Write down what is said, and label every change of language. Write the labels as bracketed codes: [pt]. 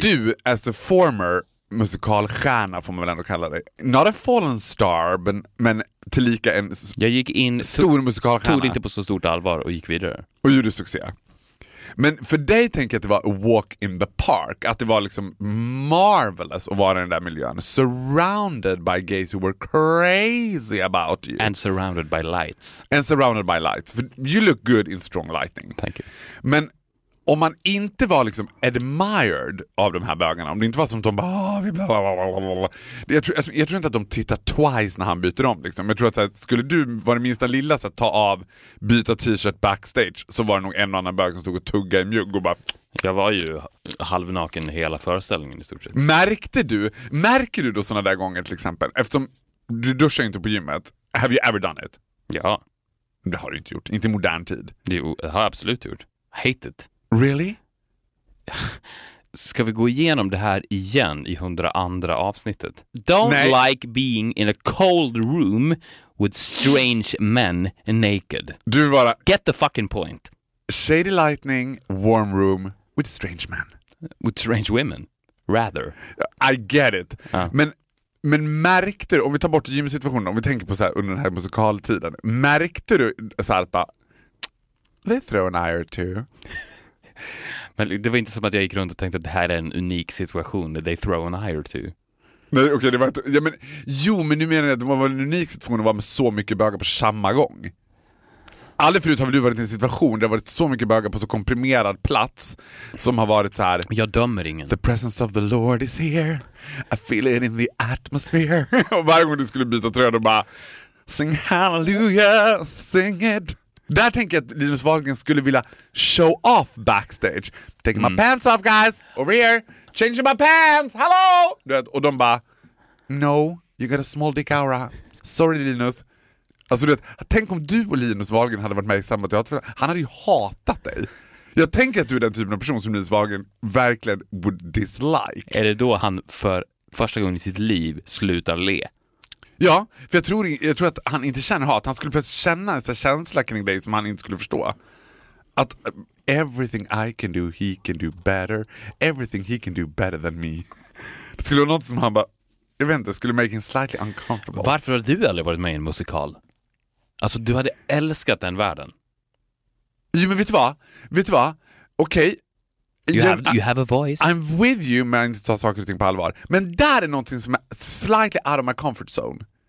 [sv] Du, [en] as a former [sv] musikalstjärna får man väl ändå kalla dig. [en] Not a fallen star, [sv] men tillika en jag gick in, stor musikalstjärna. Tog det inte på så stort allvar och gick vidare. Och gjorde succé. Men för dig tänker jag att det var [en] a walk in the park. [sv] Att det var liksom [en] marvelous [sv] att vara i den där miljön. [en] Surrounded by gays who were crazy about you. And surrounded by lights. For you look good in strong lighting. Thank you. [sv] Men om man inte var liksom [en] admired [sv] av de här bögarna. Om det inte var som att de bara... Bla bla bla bla bla bla. Jag tror inte att de tittar twice när han byter om. Liksom. Jag tror att så här, skulle du vara det minsta lilla så att ta av, byta t-shirt backstage, så var det nog en annan bög som stod och tugga i mjugg och bara... Jag var ju halvnaken hela föreställningen i stort sett. Märker du då sådana där gånger till exempel? Eftersom du duschar inte på gymmet. [en] Have you ever done it? [sv] Ja. Det har du inte gjort. Inte i modern tid. Jo, det har jag absolut gjort. [en] Hate it. Really? [sv] Ska vi gå igenom det här igen i 102 avsnittet? [en] Don't [sv] Nej. [en] Like being in a cold room with strange men naked. [sv] Du bara... [en] Get the fucking point. Shady lightning, warm room with strange men. With strange women, rather. I get it. [sv] Men märkte du, om vi tar bort gymsituationen, om vi tänker på så här under den här musikaltiden, märkte du så här bara, [en] they throw an eye or two. [sv] Men det var inte som att jag gick runt och tänkte att det här är en unik situation där [en] they throw an eye or two. [sv] Nej, okej, det var inte, ja, men, jo, men nu menar jag att det var en unik situation att vara med så mycket bögar på samma gång. Aldrig förut har väl du varit i en situation där det har varit så mycket bögar på så komprimerad plats som har varit så här. Men jag dömer ingen. [en] The presence of the Lord is here. I feel it in the atmosphere. [sv] Och varje gång du skulle byta tröja och bara [en] sing hallelujah, sing it. [sv] Där tänker jag att Linus Wahlgren skulle vilja [en] show off [sv] backstage. [en] Taking my pants off, guys. Over here. Changing my pants. Hello! [sv] Du vet, och de bara, [en] no, you got a small dick aura. Sorry, Linus. [sv] Alltså, du vet, tänk om du och Linus Wahlgren hade varit med i samma teater. Han hade ju hatat dig. Jag tänker att du är den typen av person som Linus Wahlgren verkligen [en] would dislike. [sv] Är det då han för första gången i sitt liv slutar le? Ja, för jag tror att han inte känner hat. Han skulle plötsligt känna en sån känsla kring dig som han inte skulle förstå. [en] Att everything I can do better. Everything he can do better than me. [sv] Det skulle vara något som han bara, jag vet inte, skulle [en] make him slightly uncomfortable. [sv] Varför har du aldrig varit med i en musikal? Alltså, du hade älskat den världen. Jo, men vet du vad? Okej. Okay. [en] You have a voice. I'm with you, [sv] men jag inte tar saker och ting på allvar. Men där är någonting som är [en] slightly out of my comfort zone.